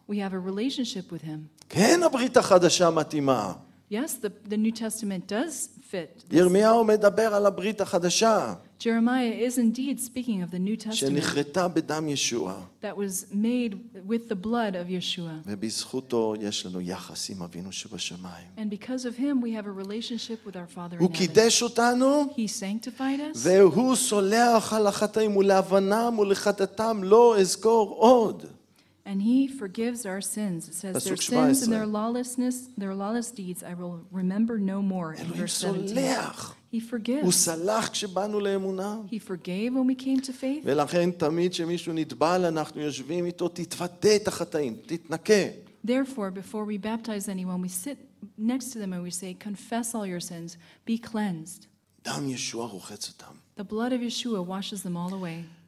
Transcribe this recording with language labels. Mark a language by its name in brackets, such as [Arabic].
[English] We have a relationship with him. [Hebrew] כן, הברית החדשה מתאימה. [English] Yes, the New Testament does fit. [Hebrew] ירמיהו מדבר על הברית החדשה. [English] Jeremiah is indeed speaking of the New Testament. [Hebrew] שנחרטה בדם ישוע. [English] That was made with the blood of Yeshua. [Hebrew] ובזכותו יש לנו יחס עם אבינו שבשמיים. [English] And because of him we have a relationship with our Father in heaven. [Hebrew] הוא קידש אותנו. [English] He sanctified us. [Hebrew] והוא סולח על החטאים ולהבנם ולחטאתם לא אזכור עוד. [English] And he forgives our sins. It says their sins and their lawlessness, their lawless deeds I will remember no more. In verse 17. He forgives. [Hebrew] הוא סלח כשבאנו לאמונה. [English] He forgave when we came to faith. [Hebrew] ולכן תמיד שמישהו נטבל אנחנו יושבים איתו, תתוודה את החטאים, תתנקה. [English] Therefore, before we baptize anyone, we sit next to them and we say, confess all your sins, be cleansed. [Hebrew] דם ישוע רוחץ אותם. [English] The blood of Yeshua washes them all away.